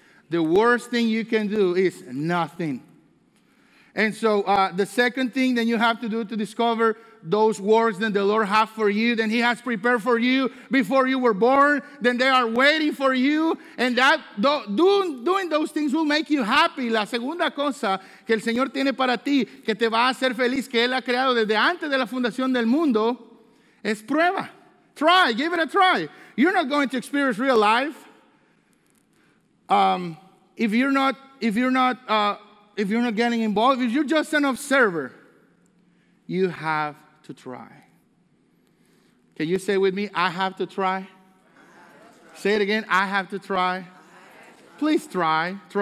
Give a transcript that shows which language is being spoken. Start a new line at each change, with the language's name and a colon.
English: The worst thing you can do is nothing. And so the second thing that you have to do to discover those words that the Lord has for you, that He has prepared for you before you were born, then they are waiting for you. And that doing those things will make you happy.
Spanish: La segunda cosa que el Señor tiene para ti, que te va a hacer feliz, que Él ha creado desde antes de la fundación del mundo, es prueba.
English: Try, give it a try. You're not going to experience real life if you're not getting involved. If you're just an observer, you have to try. Can you say with me, I have to try? Say it again, I have to try. Please try.